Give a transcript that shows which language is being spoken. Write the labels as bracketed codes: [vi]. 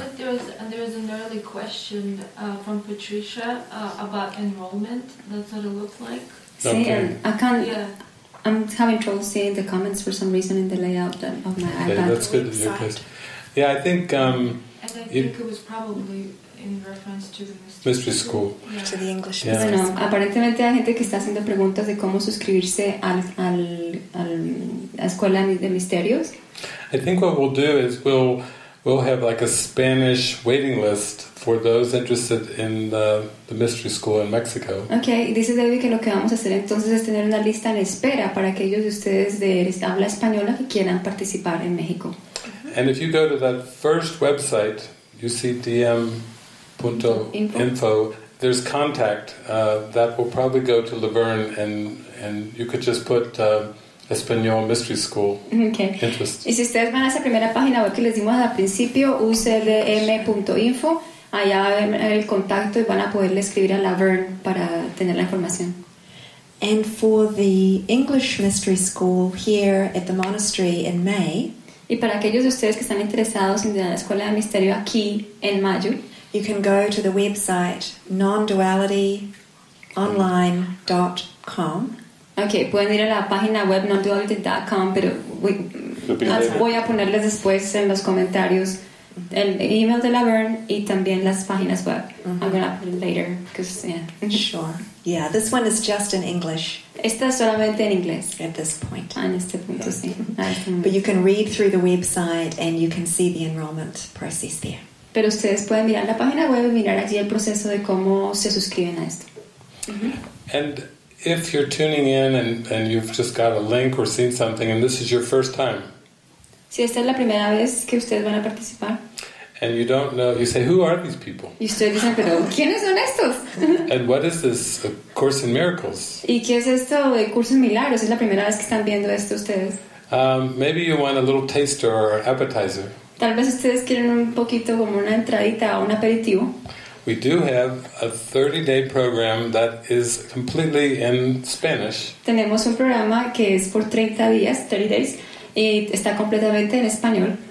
[en] I think there was an early question from Patricia about enrollment. That's what it looks like. Okay. I'm having trouble seeing the comments for some reason in the layout of my iPad. Okay, that's good that you're pissed. Yeah, I think. I think it was probably in reference to the mystery school. To the English. Yeah. [es] Bueno, aparentemente hay gente que está haciendo preguntas de cómo suscribirse a escuela de misterios. [en] I think what we'll do is we'll have like a Spanish waiting list for those interested in the mystery school in Mexico. [es] Okay, dice David que lo que vamos a hacer entonces es tener una lista en espera para aquellos de ustedes de habla española que quieran participar en México. [en] And if you go to that first website, ucdm.info, there's contact. That will probably go to Laverne, and you could just put Español Mystery School. Okay. Interest. [es] Y si ustedes van a esa primera página web que les dimos al principio, ucdm.info, allá va a haber el contacto y van a poderle escribir a Laverne para tener la información. [en] And for the English Mystery School here at the monastery in May. [es] Y para aquellos de ustedes que están interesados en la Escuela de Misterio aquí en mayo, [en] you can go to the website nonduality.online.com. [es] Okay, pueden ir a la página web nonduality.com, pero voy a ponerles después en los comentarios el email de Laverne y también las páginas web. [en] Mm-hmm. I'm going to put it later. Sure. Yeah, this one is just in English. [es] Está solamente en inglés. [en] At this point. [es] En este punto, yeah. Sí. [en] But you can read through the website and you can see the enrollment process there. [es] Pero ustedes pueden mirar la página web y mirar allí el proceso de cómo se suscriben a esto. Mm-hmm. [en] And if you're tuning in and you've just got a link or seen something and this is your first time. [es] Si esta es la primera vez que ustedes van a participar. [en] And you don't know, you say, who are these people? [es] Y ustedes dicen, pero ¿quiénes son estos? [en] And what is this A Course in Miracles? [es] ¿Y qué es esto de Curso en Milagros? Es la primera vez que están viendo esto ustedes. [en] Maybe you want a little taster or appetizer. [es] Tal vez ustedes quieren un poquito como una entradita o un aperitivo. [en] We do have a 30-day program that is completely in Spanish. [es] Tenemos un programa que es por 30 días, 30 days, y está completamente en español.